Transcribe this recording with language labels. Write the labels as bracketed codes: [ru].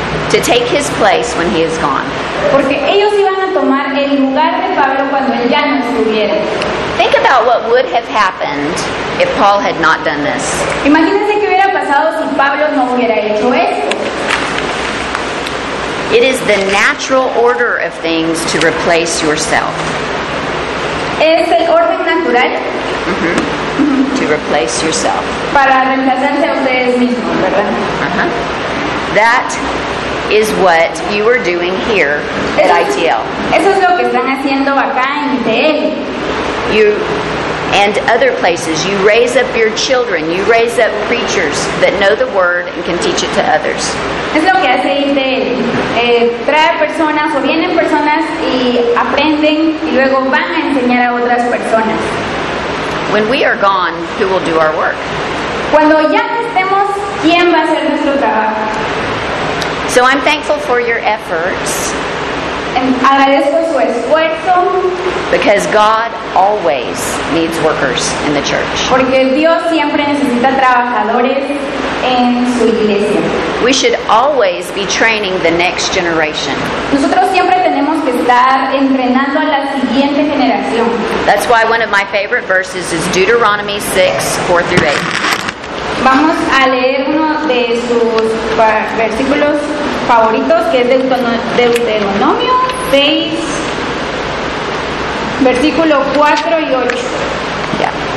[en] To take his place when he is gone. [es] Porque ellos iban a tomar el lugar de Pablo cuando él ya no estuviera. [en] Think about what would have happened if Paul had not done this. [es] Imagínense qué hubiera pasado si Pablo no hubiera hecho esto. [en] It is the natural order of things to replace yourself. [es] Es el orden natural. [en] To replace yourself. [es] Para reemplazarse a ustedes mismos, ¿verdad? [en] That is what you are doing here at ITL. [es] Eso es lo que están haciendo acá en ITL. [en] You and other places, you raise up your children, you raise up preachers that know the word and can teach it to others. [es] Es lo que hace ITL. Trae personas o vienen personas y aprenden y luego van a enseñar a otras personas. [en] When we are gone, who will do our work? [es] Cuando ya estemos, ¿quién va a hacer nuestro trabajo? [en] So I'm thankful for your efforts. [es] Agradezco su esfuerzo. [en] Because God always needs workers in the church. [es] Porque Dios siempre necesita trabajadores en su iglesia. [en] We should always be training the next generation. [es] Nosotros siempre tenemos que estar entrenando a la siguiente generación. [en] That's why one of my favorite verses is Deuteronomy 6, 4 through 8. [es] Vamos a leer uno de sus versículos favoritos, que es Deuteronomio 6, versículo 4 y 8. [en] Yeah.